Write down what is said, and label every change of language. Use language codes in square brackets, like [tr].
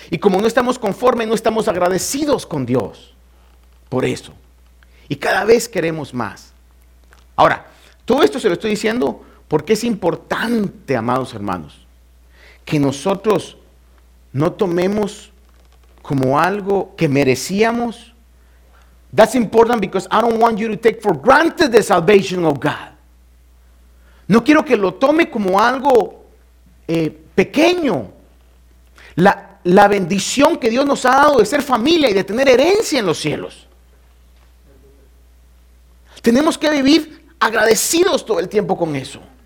[es] Y como no estamos conformes, no estamos agradecidos con Dios por eso. Y cada vez queremos más. Ahora, todo esto se lo estoy diciendo porque es importante, amados hermanos, que nosotros no tomemos como algo que merecíamos. [en] That's important because I don't want you to take for granted the salvation of God. [es] No quiero que lo tome como algo pequeño. La bendición que Dios nos ha dado de ser familia y de tener herencia en los cielos. Tenemos que vivir agradecidos todo el tiempo con eso.